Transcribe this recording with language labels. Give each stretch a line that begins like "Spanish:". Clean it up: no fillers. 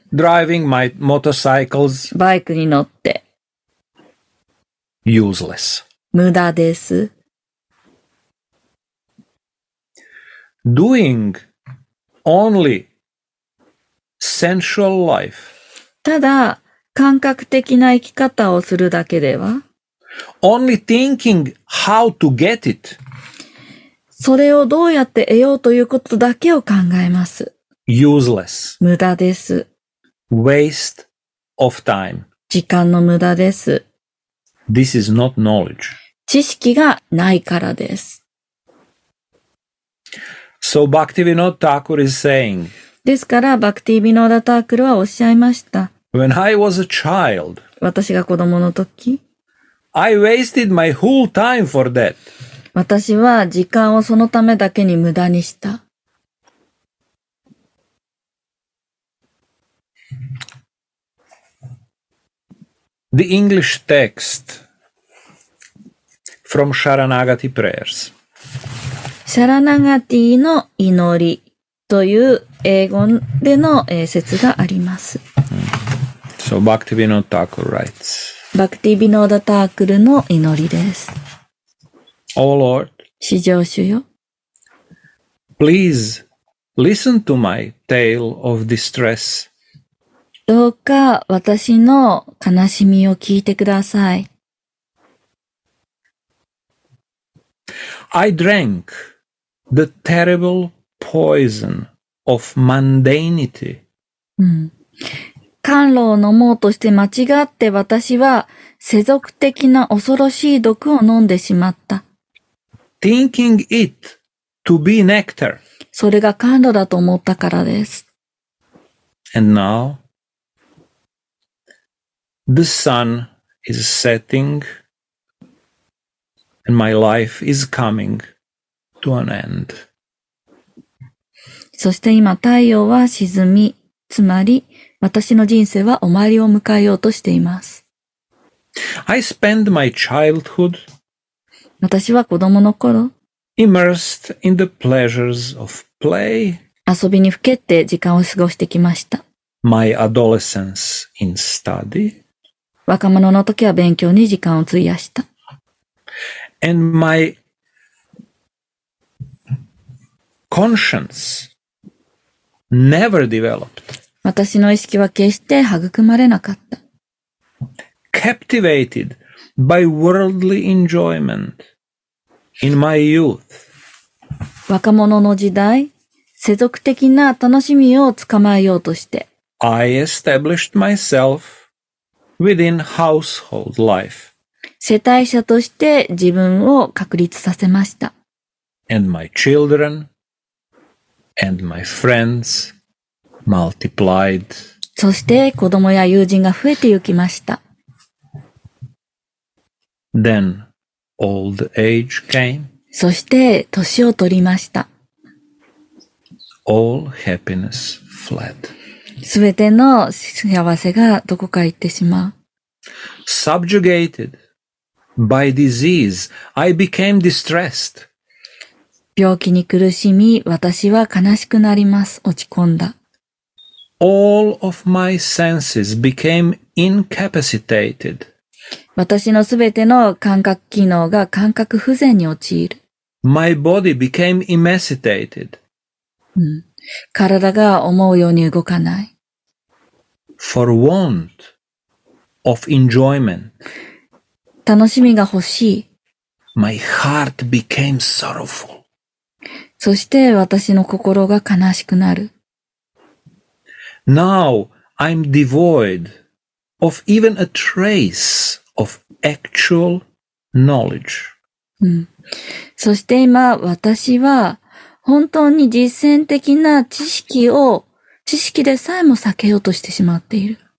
English: Driving my motorcycles.
Japanese: バイクに乗って、
English: Useless.
Japanese: 無駄です。
English: Doing only sensual life.
Japanese: ただ感覚的な生き方をするだけでは。
English: Only thinking how to get it.
Japanese: それをどうやって得ようということだけを考えます。
English: Useless.
Japanese: 無駄です。
English: Waste of time.
Japanese: 時間の無駄です。
English: This is not knowledge.
Japanese: 知識がないからです。
English: So Bhaktivinoda Thakur is saying.
Japanese: ですから、バクティビノダタクルはおっしゃいました。
English: When I was a child,
Japanese: 私が子供の時、
English: I wasted my whole time for that.
Japanese: 私は時間をそのためだけに無駄にした。
English: The English text from Sharanagati prayers.
Japanese: シャラナガティの祈りという英語での説があります。
English: So, Bhaktivinoda Thakur writes.
Japanese: Bhaktivinoda Thakurの祈りです。
English: O Lord,
Japanese: 至上主よ。
English: Please listen to my tale of distress.
Japanese: どうか私の悲しみを聞いてください。
English: I drank. The terrible poison of mundanity.
Japanese: 甘露を飲もうとして間違って私は世俗的な恐ろしい毒を飲んでしまった。
English: Thinking it to be nectar.
Japanese: それが甘露だと思ったからです。
English: And now, the sun is setting and my life is coming to an end.
Japanese: そして今太陽は沈み、つまり私の人生は終わりを迎えようとしています。
English: I spend my childhood
Japanese: 私は子供の頃
English: immersed in the pleasures of play
Japanese: 遊びにふけって時間を過ごしてきました。
English: My adolescence in study
Japanese: 若者の時は勉強に時間を費やした。
English: And my conscience never developed
Japanese: 私の意識は決して育まれなかった。
English: Captivated by worldly enjoyment in my youth.
Japanese: 若者の時代、世俗的な楽しみを捕まえようとして。
English: I established myself within household life.
Japanese: 世帯者として自分を確立させました。
English: And my children and my friends. Multiplied.
Japanese: そして子供や友人が増えてゆきました。
English: Then, old age came.
Japanese: そして年を取りました。
English: All happiness fled.
Japanese: 全ての幸せがどこか行ってしまう。
English: Subjugated by disease, I became distressed.
Japanese: 病気に苦しみ、私は悲しくなります。落ち込んだ。
English: All of my senses became incapacitated.
Japanese: 私のすべての感覚機能が感覚不全に陥る。
English: My body became emaciated.
Japanese: 体が思うように動かない。
English: For want of enjoyment.
Japanese: 楽しみが欲しい。
English: My heart became sorrowful.
Japanese: そして私の心が悲しくなる。
English: Now I'm devoid of even a trace of actual knowledge.、
Japanese: そして今私は本当に実践的な知識でさえも避けようとしてしまっている。